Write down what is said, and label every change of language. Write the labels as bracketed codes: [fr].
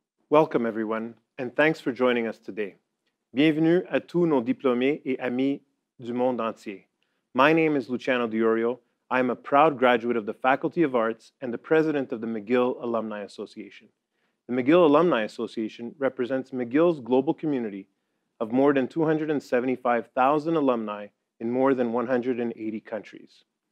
[en] Welcome, everyone, and thanks for joining us today. [fr] Bienvenue à tous nos diplômés et amis du monde entier. [en] My name is Luciano D'Iorio. I am a proud graduate of the Faculty of Arts and the president of the McGill Alumni Association. The McGill Alumni Association represents McGill's global community of more than 275,000 alumni in more than 180 countries.